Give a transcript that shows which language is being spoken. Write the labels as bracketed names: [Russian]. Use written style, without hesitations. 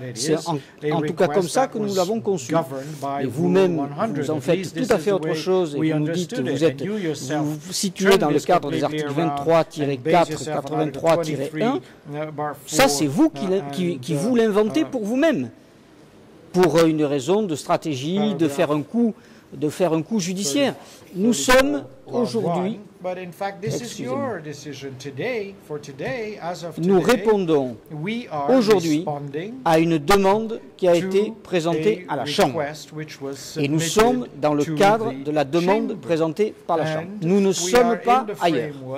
[French] C'est en tout cas comme ça que nous l'avons conçu. Et vous-même, vous en faites tout à fait autre chose et vous nous dites que vous êtes situé dans le cadre des articles 23-4, 83-1. Ça, c'est vous qui vous l'inventez pour vous-même, pour une raison de stratégie, de faire un coup judiciaire. Nous sommes aujourd'hui. [English] But in fact, this is your decision today, for today, as of today. [French] Nous répondons aujourd'hui à une demande qui a été présentée à la Chambre. Et nous sommes dans le cadre de la demande présentée par la Chambre. Nous ne sommes pas ailleurs.